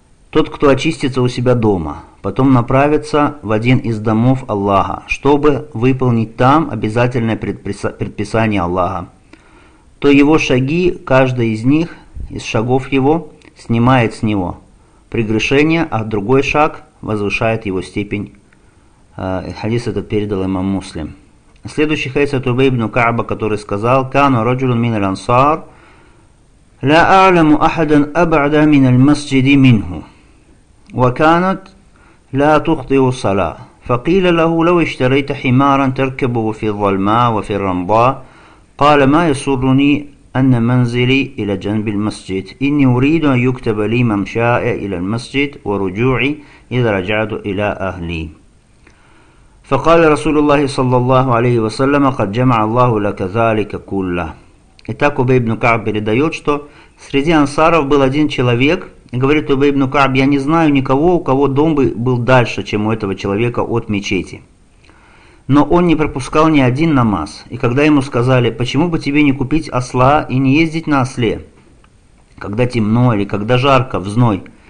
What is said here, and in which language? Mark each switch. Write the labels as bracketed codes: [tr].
[ru] Тот, кто очистится у себя дома, потом направится в один из домов Аллаха, чтобы выполнить там обязательное предписание Аллаха, то его шаги, каждый из них, из шагов его, снимает с него прегрешение, а другой шаг возвышает его степень. Хадис этот передал имам Муслим. Следующий хадис от Убей ибн Каъба, который сказал: [ar] «Кану раджулун мин аль-ансар, ла а'ламу ахадан аба'да мин аль-масджиди минху. وكانت لا تخطئ الصلاة فقيل له لو اشتريت حمارا تركبه في الظلماء وفي الرمضاء قال ما يسرني أن منزلي إلى جنب المسجد إني أريد أن يكتب لي ممشاي إلى المسجد ورجوعي إذا رجعت إلى أهلي فقال رسول الله صلى الله عليه وسلم قد جمع الله لك ذلك كله. [ru] Итак, Убей ибн Каъб передает, что среди ансаров был один человек. Говорит Убей ибн Каъб: «Я не знаю никого, у кого дом бы был дальше, чем у этого человека от мечети. Но он не пропускал ни один намаз. И когда ему сказали: почему бы тебе не купить осла и не ездить на осле, когда темно или когда жарко, в зной?